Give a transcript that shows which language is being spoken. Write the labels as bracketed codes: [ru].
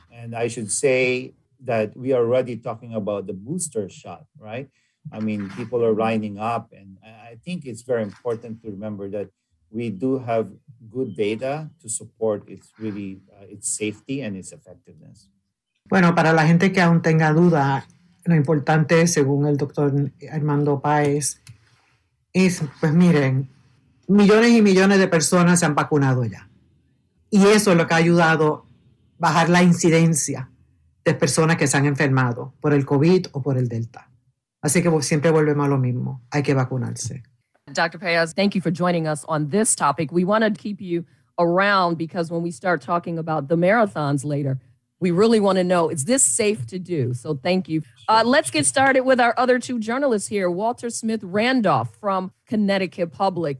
[en] And I should say that we are already talking about the booster shot, right? I mean, people are lining up, and I think it's very important to remember that we do have good data to support its really its safety and its effectiveness. [es] Bueno, para la gente que aún tenga duda, lo importante, según el doctor Armando Páez, es, pues miren, millones y millones de personas se han vacunado ya. Y eso es lo que ha ayudado a bajar la incidencia de personas que se han enfermado por el COVID o por el Delta. Así que siempre volvemos a lo mismo. Hay que vacunarse. [en] Dr. Paez, thank you for joining us on this topic. We want to keep you around because when we start talking about the marathons later, we really want to know, is this safe to do? So thank you. Let's get started with our other two journalists here. Walter Smith Randolph from Connecticut Public.